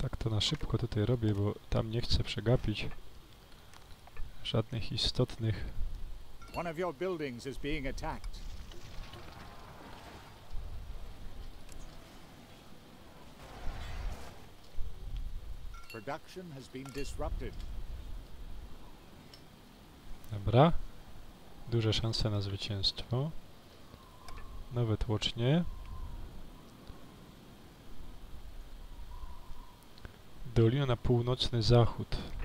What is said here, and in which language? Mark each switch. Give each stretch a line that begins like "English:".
Polish: Na szybko tutaj robię, bo tam nie chcę przegapić żadnych istotnych.
English: One of your buildings is being attacked. Production has been disrupted.
Polish: Dobra. Duże szanse na zwycięstwo. Nowe tłocznie. Dolina na północny zachód.